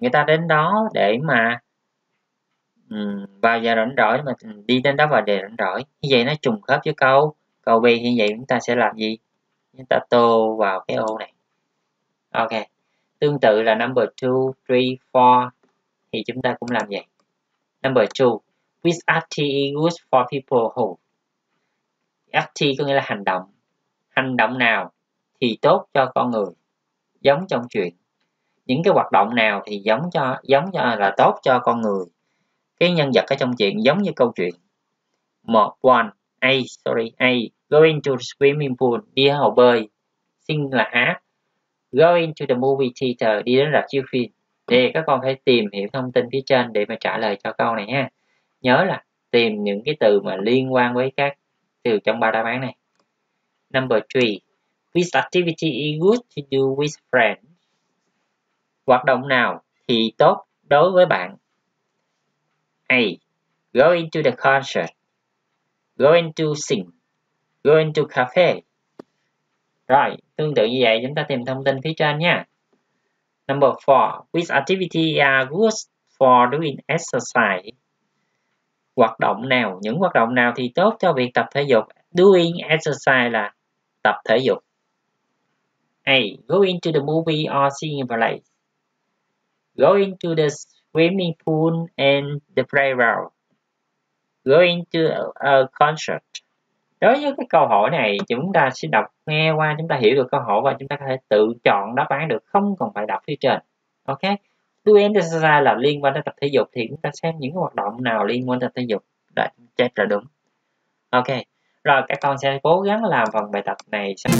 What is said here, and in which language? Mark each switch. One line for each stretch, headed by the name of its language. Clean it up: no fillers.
Vietnamese: Người ta đến đó để mà vào giờ rảnh rỗi, mà đi đến đó vào giờ rảnh rỗi. Như vậy nó trùng khớp với câu. Câu B như vậy chúng ta sẽ làm gì? Chúng ta tô vào cái ô này. Ok. Tương tự là number 2, 3, 4 thì chúng ta cũng làm vậy.
English: Number 2, which activity is good for people who?
Vietnamese: Activity có nghĩa là hành động. Hành động nào thì tốt cho con người? Giống trong chuyện. Những cái hoạt động nào thì giống cho là tốt cho con người? Cái nhân vật ở trong chuyện giống như câu chuyện. A,
English: going to the swimming pool,
Vietnamese: đi hồ bơi, sing là hát.
English: Going to the movie theater,
Vietnamese: đi đến rạp chiếu phim. Thì các con phải tìm hiểu thông tin phía trên để mà trả lời cho câu này ha. Nhớ là tìm những cái từ mà liên quan với các từ trong ba đáp án này.
English: Number 3, which activity is good to do with friends?
Vietnamese: Hoạt động nào thì tốt đối với bạn?
English: A, going to the concert, going to sing, going to cafe.
Vietnamese: Rồi, tương tự như vậy chúng ta tìm thông tin phía trên nha.
English: Number 4, which activity are good for doing exercise?
Vietnamese: Hoạt động nào, những hoạt động nào thì tốt cho việc tập thể dục?
English: Doing exercise
Vietnamese: là tập thể dục.
English: A, going to the movie or seeing a play. Going to the swimming pool and the playground. Going to a concert.
Vietnamese: Đối với cái câu hỏi này, chúng ta sẽ đọc nghe qua, chúng ta hiểu được câu hỏi và chúng ta có thể tự chọn đáp án được, không cần phải đọc phía trên. Ok?
English: Do exercise
Vietnamese: là liên quan đến tập thể dục, thì chúng ta xem những hoạt động nào liên quan đến tập thể dục. Đã chết là đúng. Ok. Rồi, các con sẽ cố gắng làm phần bài tập này.